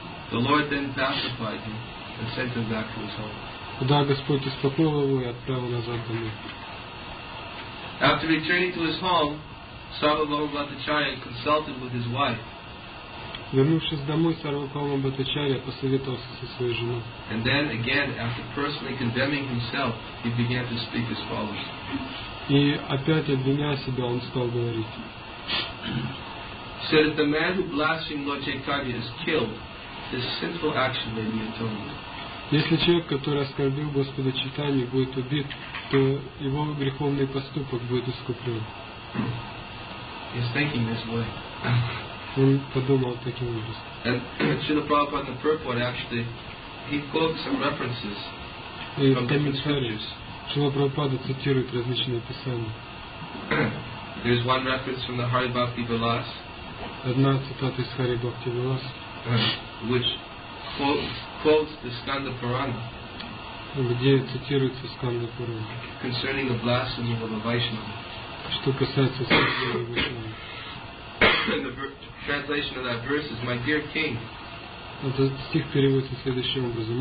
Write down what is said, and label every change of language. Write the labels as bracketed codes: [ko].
[en] The Lord then pacified him and sent him back to his home. [ru] Да, Господь успокоил его и отправил назад домой. [en] After returning to his home, Сарвабхаума Бхаттачарья consulted with his wife. [ru] Вернувшись домой, Сарвабхаума Бхаттачарья посоветовался со своей женой. [en] And then again, after personally condemning himself, he began to speak as follows. [ru] И опять обвиняя себя, он стал говорить. [en] Said that the man who blasphemed Lord Chaitanya is killed, his sinful action may be atoned. [ru] Если человек, который оскорбил Господа Чайтанью, будет убит, то его греховный поступок будет искуплен. [en] He's thinking this way. [ru] Он подумал таким образом. [en] And Srila Prabhupada in the purport actually, he quotes some references from different scriptures. [ru] Шрила Прабхупада цитирует различные писания. [en] There's one reference from the Hari Bhakti Vilas. [ru] Одна цитата из Hari Bhakti Vilas, [en] which quotes the Skanda Purana. [ru] Где цитируется Skanda Purana? [en] Concerning the blasphemy of a Vaishnava. [ru] Что касается Skanda Purana. [en] The translation of that verse is, "My dear king." [ru] Этот стих переводится следующим образом.